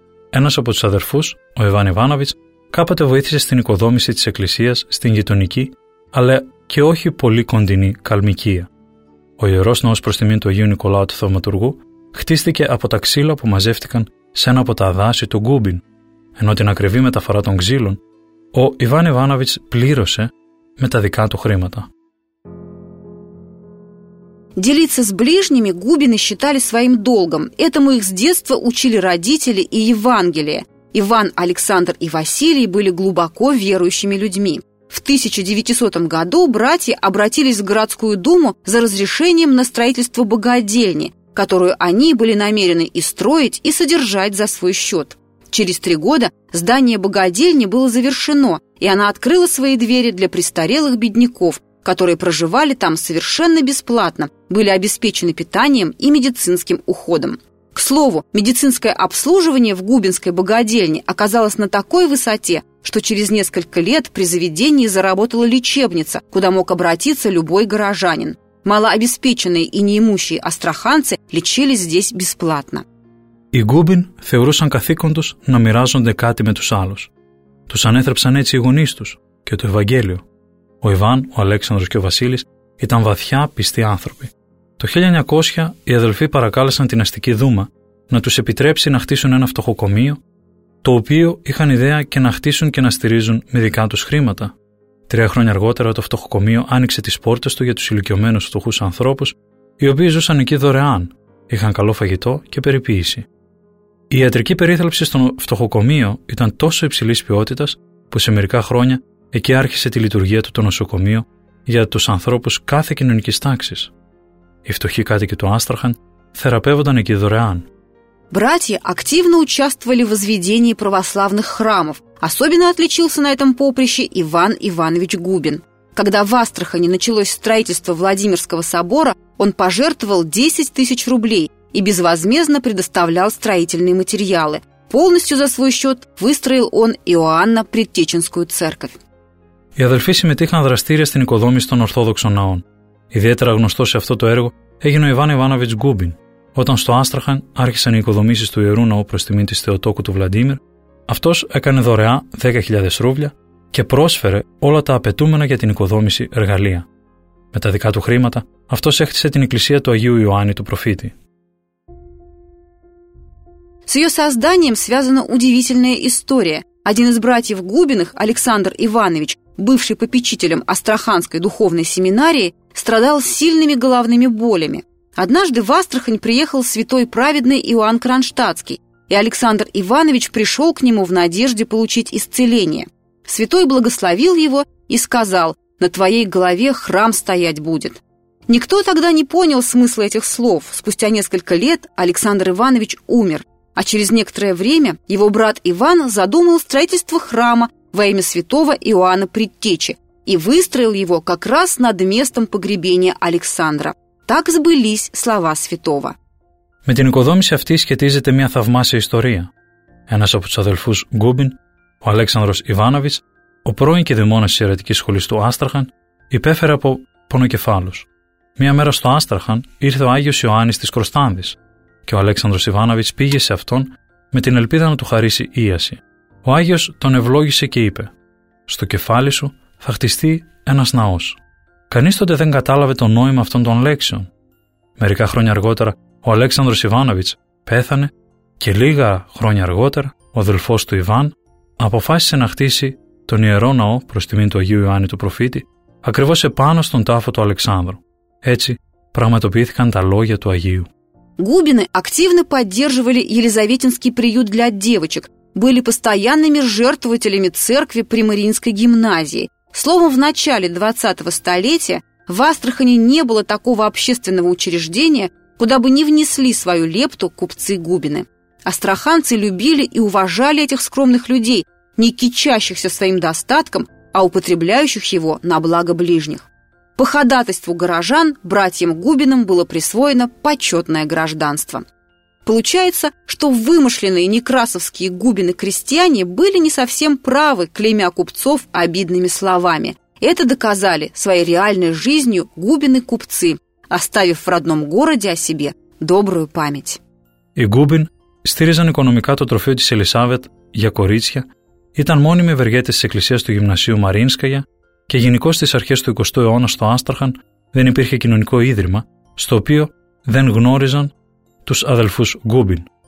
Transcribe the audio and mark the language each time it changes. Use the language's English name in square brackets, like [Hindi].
[Greek] Ένας από τους αδερφούς, ο Ιβάν Ιβάνοβιτς, κάποτε βοήθησε στην οικοδόμηση της εκκλησίας στην γειτονική, αλλά και όχι πολύ κοντινή Καλμικία. Ο ιερός ναός προς τιμήν του Αγίου Νικολάου του Θαυματουργού χτίστηκε από τα ξύλα που μαζεύτηκαν σε ένα από τα δάση του Γκούμπιν, ενώ την ακριβή μεταφορά των ξύλων ο Ιβάν Ιβάνοβιτς πλήρωσε με τα δικά του χρήματα. [Russian] Делиться с ближними Губины считали своим долгом. Этому их с детства учили родители и Евангелие. Иван, Александр и Василий были глубоко верующими людьми. В 1900 году братья обратились в городскую думу за разрешением на строительство богадельни, которую они были намерены и строить, и содержать за свой счет. Через 3 года здание богадельни было завершено, и она открыла свои двери для престарелых бедняков, которые проживали там совершенно бесплатно, были обеспечены питанием и медицинским уходом. К слову, медицинское обслуживание в Губинской богадельне оказалось на такой высоте, что через несколько лет при заведении заработала лечебница, куда мог обратиться любой горожанин. Малообеспеченные и неимущие астраханцы лечились здесь бесплатно. [Greek] Οι Γκούμπιν θεωρούσαν καθήκον τους να μοιράζονται κάτι με τους άλλους. Τους ανέθρεψαν έτσι οι γονείς τους και το Ευαγγέλιο. Ο Ιβάν, ο Αλέξανδρος και ο Βασίλης ήταν βαθιά πιστοί άνθρωποι. Το 1900 οι αδελφοί παρακάλεσαν την αστική Δούμα να τους επιτρέψει να χτίσουν ένα φτωχοκομείο, το οποίο είχαν ιδέα και να χτίσουν και να στηρίζουν με δικά τους χρήματα. 3 χρόνια αργότερα το φτωχοκομείο άνοιξε τις πόρτες του για τους ηλικιωμένους φτωχούς ανθρώπους, οι οποίοι ζούσαν εκεί δωρεάν. Είχαν καλό φαγητό και περιποίηση. Η ιατρική περίθαλψη στο φτωχοκομείο ήταν τόσο υψηλής ποιότητας που σε μερικά χρόνια εκεί άρχισε τη λειτουργία του το νοσοκομείο για τους ανθρώπους κάθε κοινωνικής τάξης. Οι φτωχοί κάτοικοι του Άστραχαν θεραπεύονταν εκεί δωρεάν. [Russian] Братья активно участвовали в возведении православных храмов. Особенно отличился на этом поприще Иван Иванович Губин. Когда в Астрахани началось строительство Владимирского собора, он пожертвовал 10 тысяч рублей и безвозмездно предоставлял строительные материалы. Полностью за свой счет выстроил он Иоанна-Предтеченскую церковь. [Greek] Οι αδελφοί συμμετείχαν δραστήρια στην οικοδόμηση των Ορθόδοξων ναών. Ιδιαίτερα γνωστό σε αυτό το έργο έγινε ο Ιβάν Ιβάνοβιτς Γκούμπιν. Όταν στο Άστραχαν άρχισαν οι οικοδομήσεις του Ιερού Ναού προς τιμή της Θεοτόκου του Βλαντίμιρ, αυτός έκανε δωρεά 10.000 ρούβλια και πρόσφερε όλα τα απαιτούμενα για την οικοδόμηση εργαλεία. Με τα δικά του χρήματα, αυτός έχτισε την εκκλησία του Αγίου Ιωάννη του Προφήτη. [Russian] С ее созданием связана удивительная история. Один из братьев Губиных, Александр Иванович, бывший попечителем Астраханской духовной семинарии, страдал сильными головными болями. Однажды в Астрахань приехал святой праведный Иоанн Кронштадтский, и Александр Иванович пришел к нему в надежде получить исцеление. Святой благословил его и сказал: «На твоей голове храм стоять будет». Никто тогда не понял смысла этих слов. Спустя несколько лет Александр Иванович умер, а через некоторое время его брат Иван задумал строительство храма во имя святого Иоанна Предтечи и выстроил его как раз над местом погребения Александра. Так сбылись слова святого. [Greek] Με την οικοδόμηση αυτή σχετίζεται μια θαυμάσια ιστορία. Ένας από τους αδελφούς Γκούμπιν, ο Αλέξανδρος Ιβάνοβιτς, ο πρώην και δημόνας της αιρετικής σχολής του Άστραχαν, υπέφερε από πονοκεφάλους. Μια μέρα στο Άστραχαν ήρθε ο Άγιος Ιωάννης της Κροστάνδης και ο Αλέξανδρος Ιβάνοβιτς πήγε σε αυτόν με την ελπίδα να του χαρίσει ίαση. Ο Άγιος τον ευλόγησε και είπε: «Στο κεφάλι σου θα χτιστεί ένας ναός». Κανείς τότε δεν κατάλαβε το νόημα αυτών των λέξεων. Μερικά χρόνια αργότερα ο Αλέξανδρος Ιβάνοβιτς πέθανε και λίγα χρόνια αργότερα ο αδελφός του Ιβάν αποφάσισε να χτίσει τον ιερό ναό προς τιμήν του Αγίου Ιωάννη του Προφήτη ακριβώς επάνω στον τάφο του Αλεξάνδρου. Έτσι πραγματοποιήθηκαν τα λόγια του Αγίου. [Russian] Губины активно поддерживали Елизаветинский приют для девочек, были постоянными жертвователями церкви при Мариинской гимназии. Словом, в начале 20-го столетия в Астрахани не было такого общественного учреждения, куда бы не внесли свою лепту купцы Губины. Астраханцы любили и уважали этих скромных людей, не кичащихся своим достатком, а употребляющих его на благо ближних. По ходатайству горожан братьям Губиным было присвоено почетное гражданство. Получается, что вымышленные некрасовские губины-крестьяне были не совсем правы, клеймя купцов обидными словами. Это доказали своей реальной жизнью губины-купцы, оставив в родном городе о себе добрую память. [Greek] Οι Губин στήριζαν οικονομικά το τροφείο της Ελισάβετ για κορίτσια, ήταν μόνιμοι ευεργέτες της εκκλησίας του γυμνασίου Μαρίνσκαγια και γενικώς στις αρχές του 20ου αιώνα στο Άστραχαν δεν υπήρχε κοινωνικό ίδρυμα, στο οποίο δεν γνώριζαν τους αδελφούς Γκούμπιν.